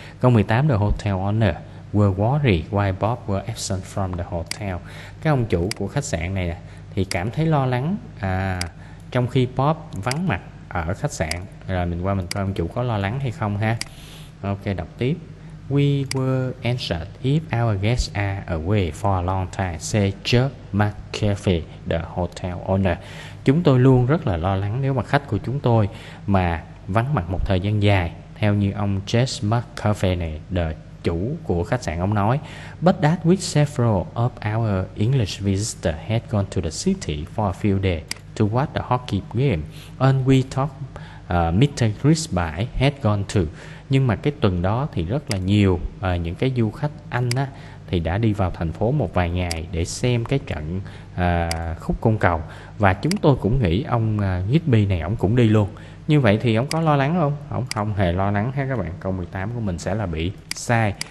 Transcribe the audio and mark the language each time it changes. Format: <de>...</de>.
<vi>Câu 18,</vi> <en>the hotel owner were worried why Bob were absent from the hotel.</en> <vi>Cái ông chủ của khách sạn này thì cảm thấy lo lắng trong khi Bob vắng mặt ở khách sạn. Rồi mình qua mình coi ông chủ có lo lắng hay không ha. Ok, đọc tiếp.</vi> <en>We were anxious if our guests are away for a long time, said Chuck McCaffrey, the hotel owner.</en> <vi>Chúng tôi luôn rất là lo lắng nếu mà khách của chúng tôi mà vắng mặt một thời gian dài, theo như ông Chuck McCaffrey này, the chủ của khách sạn ông nói.</vi> <en>But that with several of our English visitors had gone to the city for a few days to watch the hockey game, and we thought Mr. Chris Bay had gone to.</en> <vi>Nhưng mà cái tuần đó thì rất là nhiều những cái du khách Anh á thì đã đi vào thành phố một vài ngày để xem cái trận khúc côn cầu. Và chúng tôi cũng nghĩ ông Gidby này ổng cũng đi luôn. Như vậy thì ổng có lo lắng không? Ổng không hề lo lắng ha các bạn. Câu 18 của mình sẽ là bị sai.</vi>